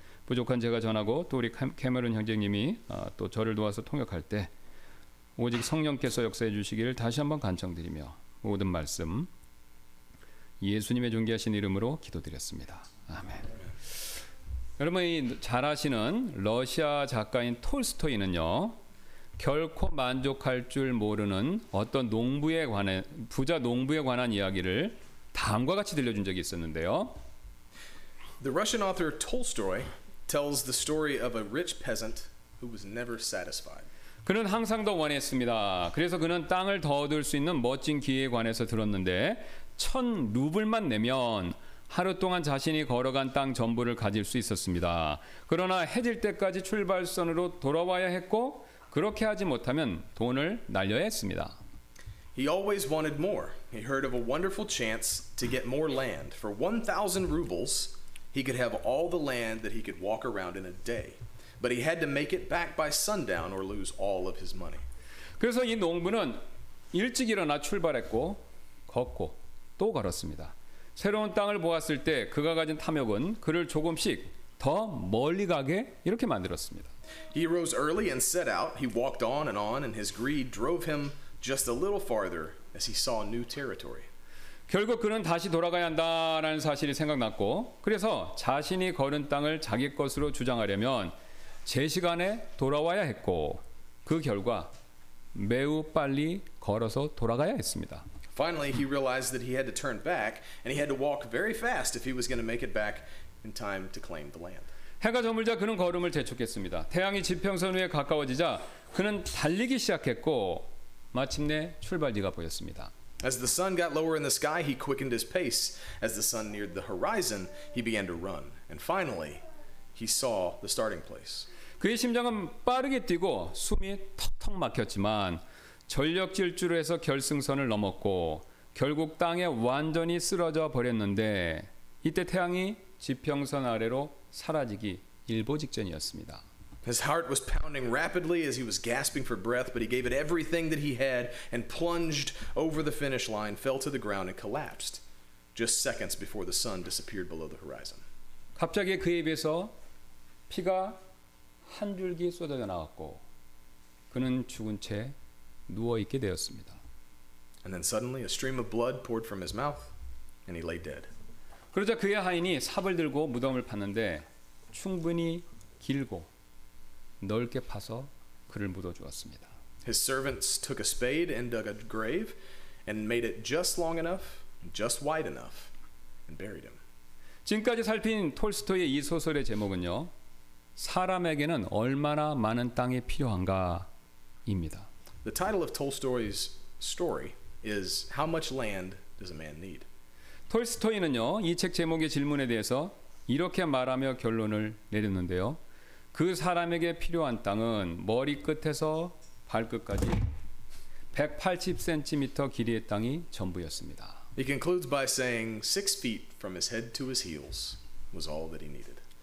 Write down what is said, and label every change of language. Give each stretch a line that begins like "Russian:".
Korean: 부족한 제가 전하고 또 우리 캐머런 형제님이 또 저를 도와서 통역할 때 오직 성령께서 역사해 주시기를 다시 한번 간청드리며 모든 말씀 예수님의 존귀하신 이름으로 기도드렸습니다. 아멘. 여러분이 잘 아시는 러시아 작가인 톨스토이는요, 결코 만족할 줄 모르는 어떤 농부에 관해 부자 농부에 관한 이야기를 다음과 같이 들려준 적이 있었는데요.
English: The Russian author Tolstoy tells the story of a rich peasant who was never satisfied.
Korean: 그는 항상 더 원했습니다. 그래서 그는 땅을 더 얻을 수 있는 멋진 기회에 관해서 들었는데 천 루블만 내면 하루 동안 자신이 걸어간 땅 전부를 가질 수 있었습니다. 그러나 해질 때까지 출발선으로 돌아와야 했고 그렇게 하지 못하면 돈을 날려야 했습니다.
English: He always wanted more. He heard of a wonderful chance to get more land. For 1,000 rubles, he could have all the land that he could walk around in a day. But he had to make it back by sundown or lose all of his money.
Korean: 그래서 이 농부는 일찍 일어나 출발했고 걷고 또 걸었습니다. 새로운 땅을 보았을 때 그가 가진 탐욕은 그를 조금씩 더 멀리 가게 이렇게 만들었습니다.
English: He rose early and set out. He walked on and on, and his greed drove him just a little farther as he saw new territory.
Korean: 결국 그는 다시 돌아가야 한다라는 사실이 생각났고, 그래서 자신이 걸은 땅을 자기 것으로 주장하려면 제 시간에 돌아와야 했고, 그 결과 매우 빨리 걸어서 돌아가야 했습니다.
English: Finally, he realized that he had to turn back, and he had to walk very fast if he was going to make it back in time to claim the land.
Korean: 해가 저물자 그는 걸음을 재촉했습니다. 태양이 지평선 위에 가까워지자 그는 달리기 시작했고 마침내 출발지가 보였습니다.
English: As the sun got lower in the sky, he quickened his pace. As the sun neared the horizon, he began to run. And finally, he saw the starting place.
Korean: 그의 심장은 빠르게 뛰고 숨이 턱턱 막혔지만 전력 질주로 해서 결승선을 넘었고 결국 땅에 완전히 쓰러져 버렸는데 이때 태양이 지평선 아래로 사라지기 일보 직전이었습니다.
English: His heart was pounding rapidly as he was gasping for breath, but he gave it everything that he had and plunged over the finish line, fell to the ground and collapsed just seconds before the sun disappeared below the horizon.
Korean: 갑자기 그 입에서 피가 한 줄기 쏟아져 나왔고 그는 죽은 채 누워 있게 되었습니다.
English: And then suddenly a stream of blood poured from his mouth and he lay dead.
Korean: 그러자 그의 하인이 삽을 들고 무덤을 팠는데 충분히 길고 넓게 파서 그를 묻어 주었습니다.
English: His servants took a spade and dug a grave and made it just long enough, just wide enough and buried him.
Korean: 지금까지 살핀 톨스토이의 이 소설의 제목은요. 사람에게는 얼마나 많은 땅이 필요한가입니다.
English: The title of Tolstoy's story is How Much Land Does a Man Need?
Korean: 톨스토이는요, 이 책 제목의 질문에 대해서 이렇게 말하며 결론을 내렸는데요. 그 사람에게 필요한 땅은 머리끝에서 발끝까지 180cm 길이의 땅이 전부였습니다.
English: He concludes by saying 6 feet from his head to his heels was all that he needed.